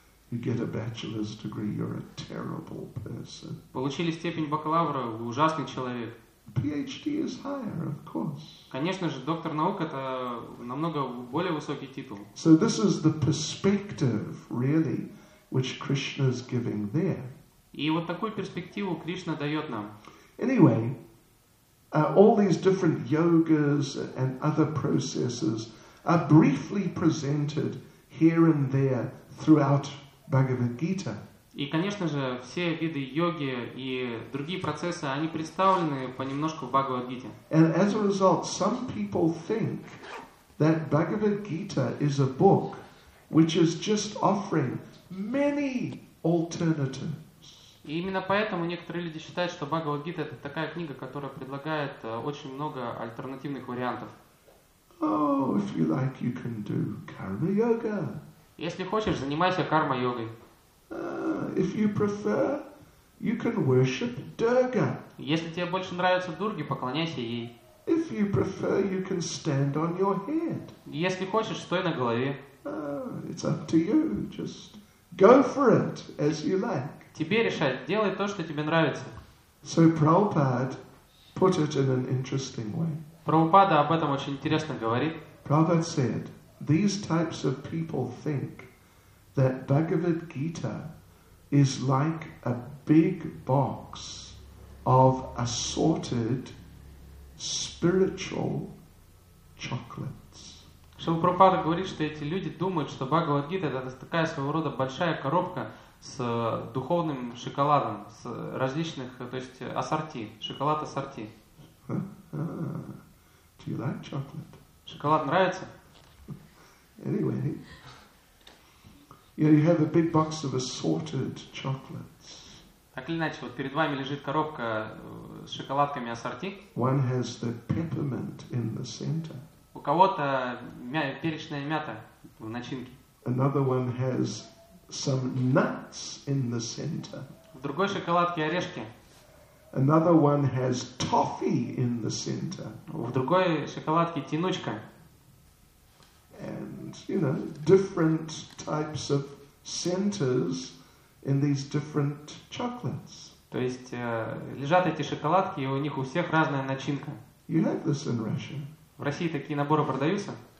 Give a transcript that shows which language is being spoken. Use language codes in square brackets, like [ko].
[en] You get a bachelor's degree, you're a terrible person. [ru] Получили степень бакалавра, вы ужасный человек. [en] PhD is higher, of course. [ru] Конечно же, доктор наук это намного более высокий титул. [en] So this is the perspective, really, which Krishna is giving there. [ru] И вот такую перспективу Кришна дает нам. [en] Anyway, all these different yogas and other processes are briefly presented here and there throughout Bhagavad Gita. [ru] И, конечно же, все виды йоги и другие процессы, они представлены понемножку в Бхагавад Гите. [en] And as a result, some people think that Bhagavad Gita is a book which is just offering many alternatives. [ru] И именно поэтому некоторые люди считают, что Бхагавад-гита это такая книга, которая предлагает очень много альтернативных вариантов. [en] Oh, if you like, you can do karma yoga. [ru] Если хочешь, занимайся карма-йогой. [en] If you prefer, you can worship Durga. [ru] Если тебе больше нравятся дурги, поклоняйся ей. [en] If you prefer, you can stand on your head. [ru] Если хочешь, стой на голове. [en] It's up to you. Just go for it as you like. [ru] Тебе решать, делай то, что тебе нравится. [en] So Prabhupada put it in an interesting way. [ru] Прабхупада об этом очень интересно говорит. [en] Prabhupada said, these types of people think that Bhagavad Gita is like a big box of assorted spiritual chocolates. [ru] Шрила Прабхупада говорит, что эти люди думают, что Бхагавад Гита это такая своего рода большая коробка с духовным шоколадом, с различных, то есть ассорти, шоколад ассорти. [en] Do you like chocolate? [ru] Шоколад нравится? [en] Anyway, you have a big box of assorted chocolates. [ru] Так или иначе, вот перед вами лежит коробка с шоколадками ассорти. [en] One has the peppermint in the center. [ru] У кого-то перечная мята в начинке. [en] Another one has some nuts in the center. [ru] В другой шоколадке орешки. [en] Another one has toffee in the center. [ru] В другой шоколадке тянучка. [en] And, you know, different types of centers in these different chocolates. [ru] То есть лежат эти шоколадки, и у них у всех разная начинка. [en] You have this in Russia. [ru] В России такие наборы продаются?